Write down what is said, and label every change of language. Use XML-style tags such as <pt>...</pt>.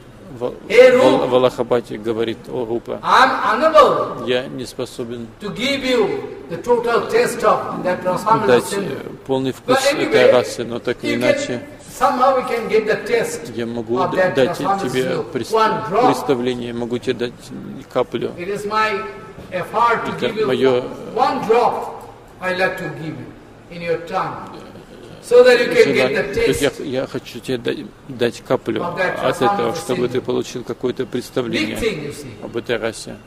<ru>В Аллахабаде говорит о Рупе. Я не способен дать полный вкус этой расы, но так или иначе.</ru> <en>Somehow we can get the taste.</en> <ru>Я могу дать тебе представление, могу тебе дать каплю.</ru> <en>It is my effort to give you one drop. I like to give in your tongue, so that you can get the taste.</en> <ru>Я хочу тебе дать каплю от этого, чтобы ты получил какое-то представление об этой расе.</ru>